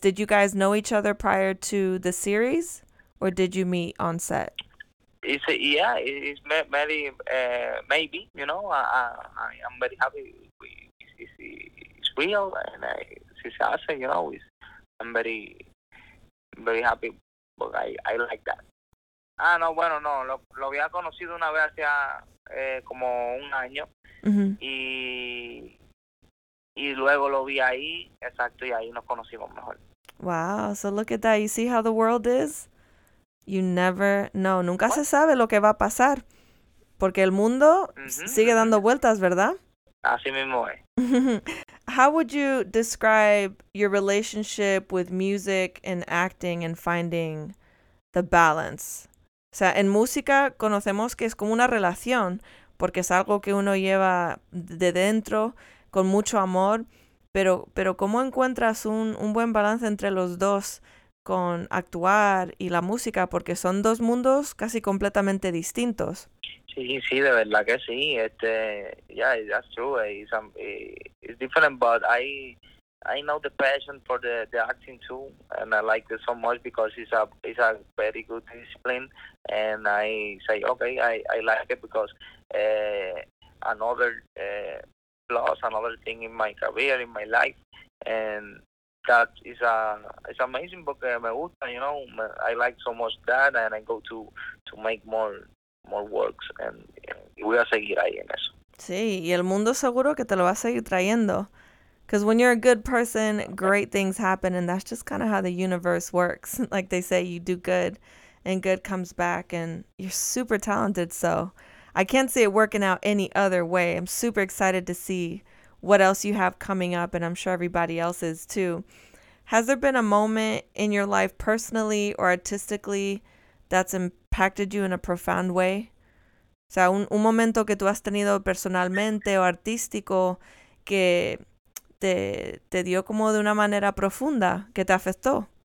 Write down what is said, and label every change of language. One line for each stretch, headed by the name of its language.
English: Did you guys know each other prior to the series, or did you meet on set? It's maybe, you know, I'm very happy. It's real, and I'm very, very happy, but I like that.
Spanish: Ah, no, bueno, no, lo había conocido una vez hace como un año, y luego lo vi ahí, exacto, y ahí nos conocimos mejor.
English: Wow, so look at that, you see how the world is? You never know,
Spanish: nunca se sabe lo que va a pasar, porque el mundo sigue dando vueltas, ¿verdad? Así mismo es.
English: How would you describe your relationship with music and acting and finding the balance?
Spanish: O sea, en música conocemos que es como una relación, porque es algo que uno lleva de dentro, con mucho amor, pero ¿cómo encuentras un buen balance entre los dos con actuar y la música? Porque son dos mundos casi completamente distintos. Sí, de verdad que sí.
English: Yeah, that's true. It's different, but I know the passion for the acting too, and I like it so much because it's a very good discipline. And I say okay, I like it because another thing in my career, in my life, and that is it's amazing
Spanish: porque me gusta,
English: you know, I like so much that, and I go to make more works, and we are
Spanish: seguir ahí en eso. Sí, y el mundo seguro que te lo va a seguir trayendo.
English: Because when you're a good person, great things happen, and that's just kind of how the universe works. Like they say, you do good, and good comes back, and you're super talented, so I can't see it working out any other way. I'm super excited to see what else you have coming up, and I'm sure everybody else is too. Has there been a moment in your life personally or artistically that's impacted you in a profound way?
Spanish: O sea, un momento que tú has tenido personalmente o artístico que te dio como de una manera profunda, que te afectó.